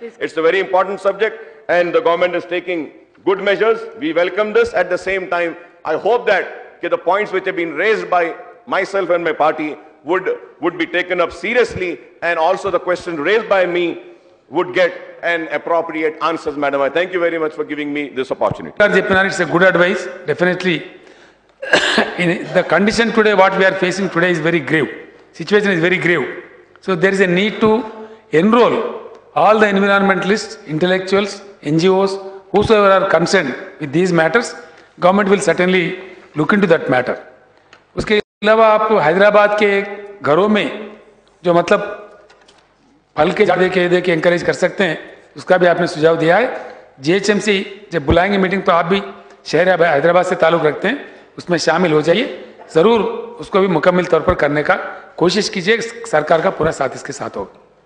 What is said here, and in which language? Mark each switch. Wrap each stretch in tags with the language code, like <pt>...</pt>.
<en>It's a very important subject and the government is taking good measures, we welcome this. At the same time I hope that कि the points which have been raised by myself and my party would be taken up seriously, and also the question raised by me would get an appropriate answers, madam. I thank you very much for giving me this opportunity. It's a good advice, definitely. In the condition today, what we are facing today is very grave. Situation is very grave. So there is a need to enroll all the environmentalists, intellectuals, NGOs, whosoever are concerned with these matters. Government will certainly look into that matter.</en> <hi>Uske अलावा आप हैदराबाद के घरों में जो मतलब फल के झाड़ दे के एंकरेज कर सकते हैं, उसका भी आपने सुझाव दिया है। जीएचएमसी जब बुलाएंगे मीटिंग, तो आप भी शहर हैदराबाद से ताल्लुक रखते हैं उसमें शामिल हो जाइए, ज़रूर उसको भी मुकम्मल तौर पर करने का कोशिश कीजिए, सरकार का पूरा साथ इसके साथ होगा।</hi>